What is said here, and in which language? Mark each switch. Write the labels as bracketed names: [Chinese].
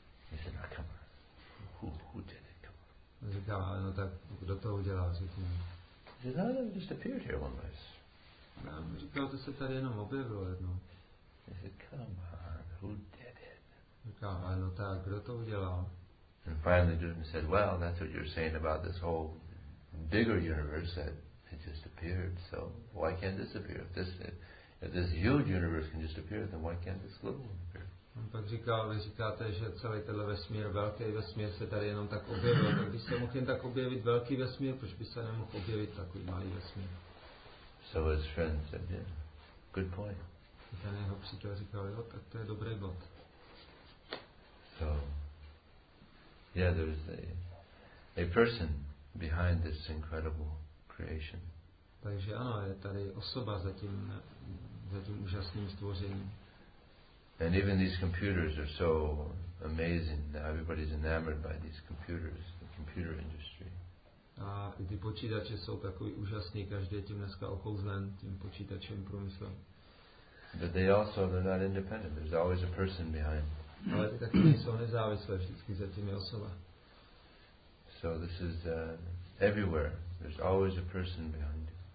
[English] He said, oh, come on. Who did it? Come on. [Czech] Říkal, no tak, kdo to udělal? Říkal, [English] he said, no, it just appeared here one place. [Czech] Já mu říkal, to se tady jenom objevilo jednou. [English] He said, come on, who did it? [Czech] Říkal, no tak, kdo to udělal? [English] And finally Newton said, well, that's what you're saying about this whole bigger universe, that it just appeared, so why can't this appear? If this huge universe can just appear, then why can't this little one appear? [Czech] On pak říkal, vy říkáte, že celý tenhle vesmír, velký vesmír se tady jenom tak objevil, tak by se mohl jen tak objevit velký vesmír, proč by se nemohl objevit takový malý vesmír? [English] So his friend said, yeah, good point. [Czech] Ten jeho přítel říkal, jo, tak to je dobrý bod. [English] So, yeah, there is a person behind this incredible creation. [Czech] Takže ano, je tady osoba za tím úžasným stvořením. [English] And even these computers are so amazing. Everybody's enamored by these computers, the computer industry. [Czech] A i ty počítače jsou takový úžasný, každý je tím dneska okouzlen, tím počítačem průmyslem. [English] But they also, they're not independent. There's always a person behind. [Czech] Ale ty taky nejsou nezávislé, vždycky za tím je osoba. [English] So this is everywhere. There's always a person behind you.